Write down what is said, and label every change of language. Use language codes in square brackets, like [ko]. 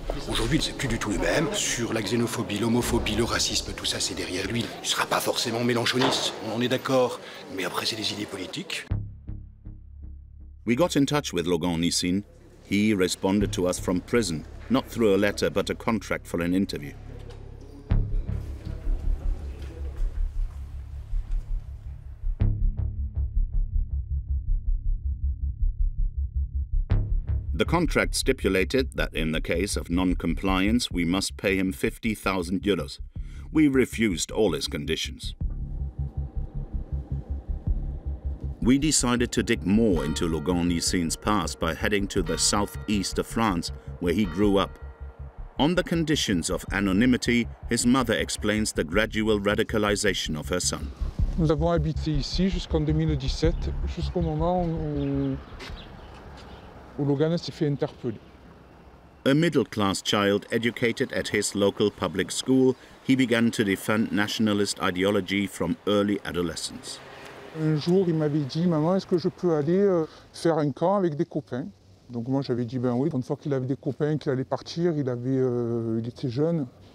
[fr] Aujourd'hui, il ne sait plus du tout les mêmes. Sur la xénophobie, l'homophobie, le racisme, tout ça, c'est derrière lui. Il ne sera pas forcément mélanchoniste, on en est d'accord. Mais après, c'est des idées politiques. [en] We got in touch with Logan Nissin. He responded to us from prison, not through a letter, but a contract for an interview. The contract stipulated that in the case of non-compliance, we must pay him 50,000 euros. We refused all his conditions. We decided to dig more into Logan Nissin's past by heading to the southeast of France, where he grew up. On the conditions of anonymity, his mother explains the gradual radicalization of her son. [fr] Nous avons habité ici jusqu'en 2017, jusqu'au moment où Logan s'est fait interpeller. [en] A middle-class child educated at his local public school, he began to defend nationalist ideology from early adolescence. [fr] Un jour, il m'avait dit, maman, est-ce que je peux aller faire un camp avec des copains? Donc moi, j'avais dit, ben oui. Une fois qu'il avait des copains, qu'il allait partir, il était jeune.